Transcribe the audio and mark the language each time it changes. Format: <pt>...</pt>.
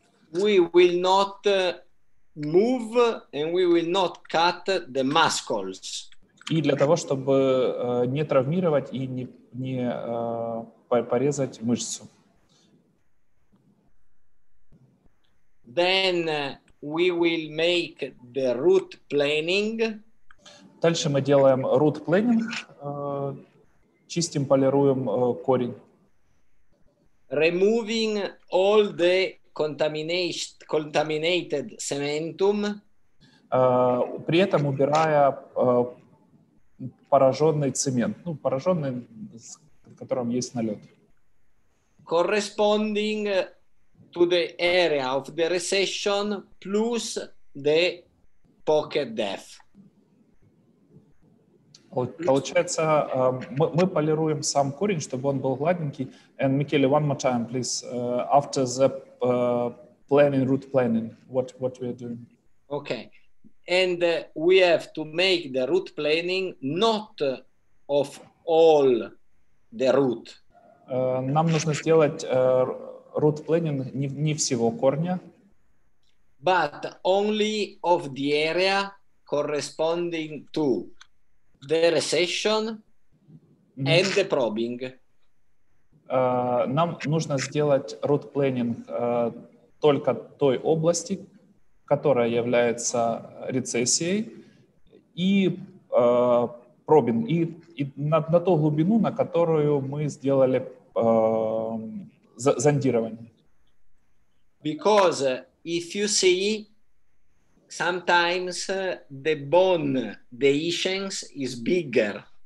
<en>We will not move and we will not cut the muscles.</en> <ru>И для того, чтобы не травмировать и не порезать мышцу.</ru> <en>Then we will make the root planing.</en> <ru>Дальше мы делаем root planing. Чистим, полируем корень.</ru> <en>Removing all the contaminated cementum.</en> <ru>При этом убирая пораженный цемент, ну, пораженный, с которым есть налет.</ru> <en>Corresponding to the area of the recession plus the pocket depth.</en> <ru>Получается, мы полируем сам корень, чтобы он был гладенький.</ru> <en>And Michele, one more time, please. After the planning, root planning, what we are doing. Okay. And we have to make the root planning not of all the root.</en> <ru>Нам нужно сделать root planning не всего корня.</ru> <en>But only of the area corresponding to the recession and the probing.</en> <ru>Нам нужно сделать root planning только той области, которая является рецессией, и пробинг, и на ту глубину, на которую мы сделали зондирование.</ru> <en>Because if you see, sometimes the bone dehiscence is bigger.</en>